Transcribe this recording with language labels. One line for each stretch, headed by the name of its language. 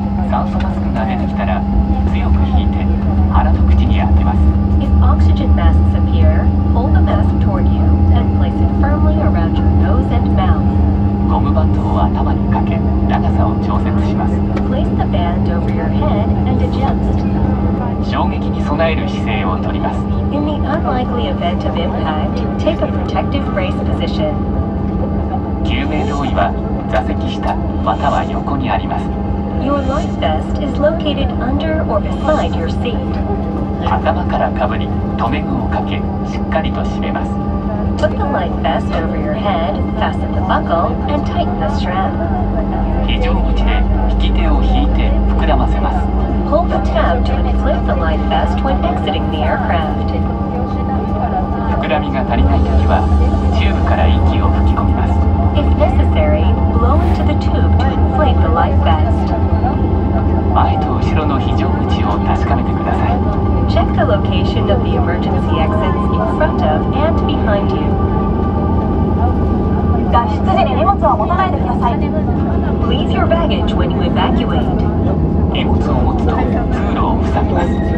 Japanese: 酸素マスクが出てきたら強く引いて鼻と口に当てます。
English: If oxygen masks appear, hold the mask toward you and place it firmly around your nose and mouth.
Japanese: ゴムバットを頭にかけ長さを調節します。
English: Place the band over your head and adjust.
Japanese: 衝撃に備える姿勢をとります。
English: In the unlikely event of impact, take a protective brace position.
Japanese: 救命胴衣は座席下または横にあります。
English: Your life vest is located under or beside your seat.
Japanese: 頭からかぶり、留め具をかけ、しっかりと締めます。
English: Put the life vest over your head, fasten the buckle, and tighten the strap.
Japanese: 非常口で引き手を引いて膨らませます。
English: Hold the tab to inflate the life vest when exiting the aircraft.
Japanese: 膨らみが足りないときは、チューブから息を吹き込みます。
English: If necessary, blow into the tube to inflate the life vest.
Japanese: 前と後ろの非常口を確かめてください。
English: Check the location of the emergency exits in front of and behind you.
Japanese: 脱出時に荷物は持たないでください。
English: Leave your baggage when you evacuate.
Japanese: 荷物を持つと通路を塞ぎます。